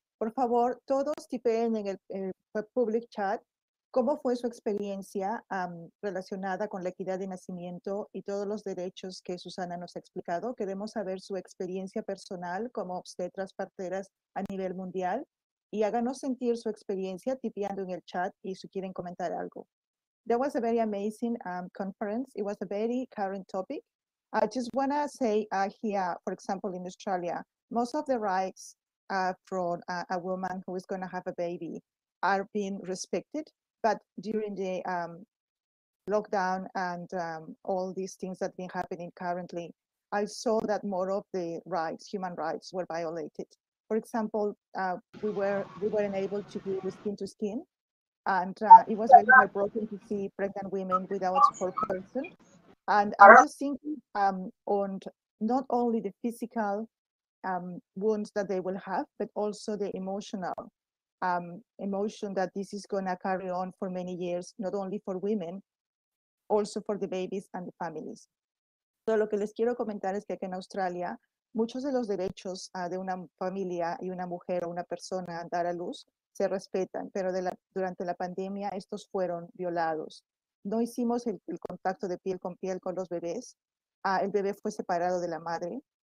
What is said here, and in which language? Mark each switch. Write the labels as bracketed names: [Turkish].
[Spanish] Por favor, todos tipen en el public chat cómo fue su experiencia relacionada con la equidad de nacimiento y todos los derechos que Susana nos ha explicado. Queremos saber su experiencia personal como obstetras parteras a nivel mundial y háganos sentir su experiencia tipeando en el chat y si quieren comentar algo. [English] That was a very amazing conference. It was a very current topic. I just want to say here, for example, in Australia, most of the rights for a woman who is going to have a baby are being respected. But during the lockdown and all these things that have been happening currently, I saw that more of the rights, human rights, were violated. For example, we weren't able to do skin to skin. And it was very heartbroken to see pregnant women without support person. And I was thinking on not only the physical wounds that they will have, but also the emotional emotion that this is going to carry on for many years, not only for women, also for the babies and the families. [Spanish] So lo que les quiero comentar es que aquí en Australia, muchos de los derechos de una familia y una mujer o una persona a dar a luz se respetan, pero durante la pandemia estos fueron violados. No hicimos el contacto de piel con piel con los bebés. El bebé fue separado de la madre.